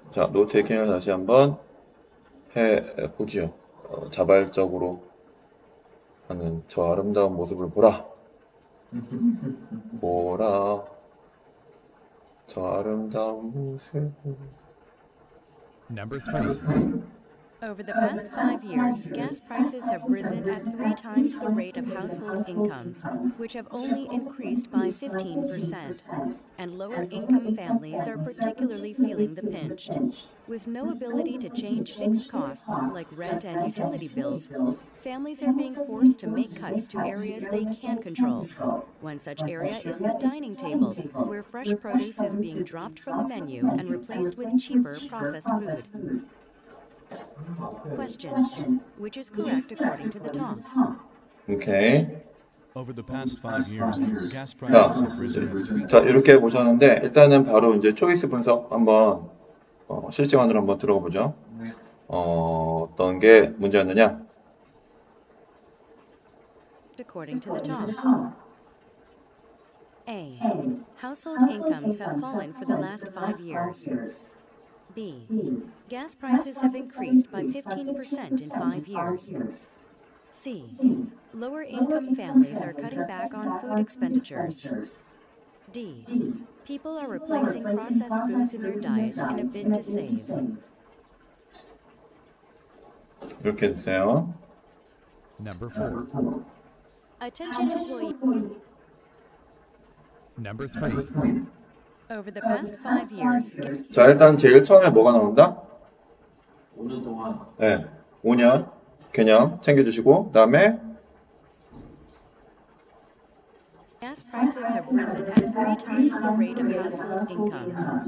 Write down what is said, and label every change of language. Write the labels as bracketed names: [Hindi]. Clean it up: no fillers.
[Korean] 자, 노테이킹을 다시 한번 해보지요. 자발적으로 하는 저 아름다운 모습을 보라. 보라 저 아름다운 모습을. [English] Number three. Over the past 5 years, gas prices have risen at 3 times the rate of household incomes, which have only increased by 15%. And lower income families are particularly feeling the pinch. With no ability to change fixed costs like rent and utility bills, families are being forced to make cuts to areas they can control. One such area is the dining table, where fresh produce is being dropped from the menu and replaced with cheaper processed food. Question. Which is correct according to the top? Okay. Over the past 5 years, gas prices have risen. [Korean] 자, 이렇게 보셨는데 일단은 바로 이제 초이스 분석 한번 실시간으로 한번 들어가 보죠. 어떤 게 문제였느냐? [English] According to the top. A. Household incomes have fallen for the last 5 years. B. Gas prices have increased by 15% in 5 years. C. Lower income families are cutting back on food expenditures. D. People are replacing processed foods in their diets in a bid to save. [Korean] 이렇게 되세요. [English] Number 4. Attention employee. Number 3. Over the past 5 years. [Korean] 자, 일단 제일 처음에 뭐가 나온다? 5년 동안. 네, 5년 개념 챙겨주시고, 그 다음에 [English] Gas prices have risen at 3 times the rate of household incomes.